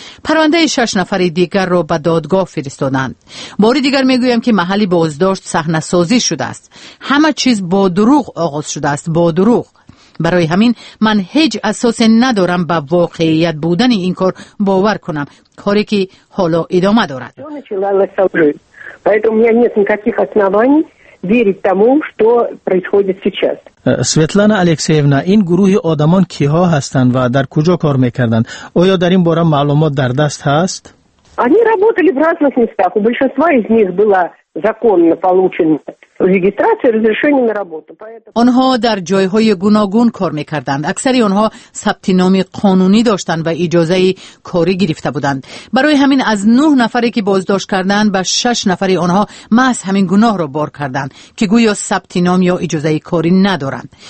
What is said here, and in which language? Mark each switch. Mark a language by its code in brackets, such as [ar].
[fa] پرونده 6 نفر دیگر را به دادگاه فرستادند. بار دیگر میگویم که محل بازداشت صحنه سازی شده است. همه چیز با دروغ آغاز شده است، با دروغ. برای همین من هیچ اساسی ندارم به واقعیت بودن این کار باور کنم، کاری که حالا ادامه دارد. [ru] верить тому, что происходит сейчас. [fa] Светлана Алексеевна, این گروه آدمان کیها هستند و در کجا کار میکردند؟ آیا در این باره معلومات در دست هست؟ [ru] Они работали в разных местах. У большинства из них было законно получено регистрация, разрешение на работу. [fa] آنها در جایهای گوناگون کار میکردند. اکثر آنها ثبت نام قانونی داشتند و اجازه کاری گرفته بودند. برای همین از 9 نفری که بازداشت کردند به 6 نفری آنها محض همین گناه را بار کردند که گویا ثبت نام یا اجازه کاری ندارند.